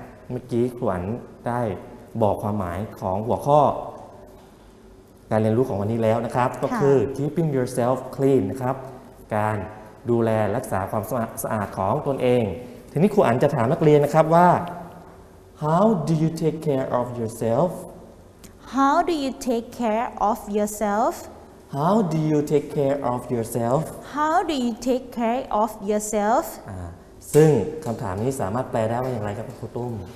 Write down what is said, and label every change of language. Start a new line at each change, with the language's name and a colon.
Thai: เมื่อกี้ขวัญได้บอกความหมายของหัวข้อการเรียนรู้ของวันนี้แล้วนะครับก็คือ
English: keeping yourself clean
Thai: นะครับการดูแลรักษาความสะอาดของตนเองทีนี้ครูอั๋นจะถามนักเรียนนะครับว่า
English: How do you take care of yourself? How do you take care of yourself? How do you take care of yourself? How do you take care of yourself?
Thai: ซึ่งคำถามนี้สามารถแปลได้ว่าอย่างไรครับครูตุ้ม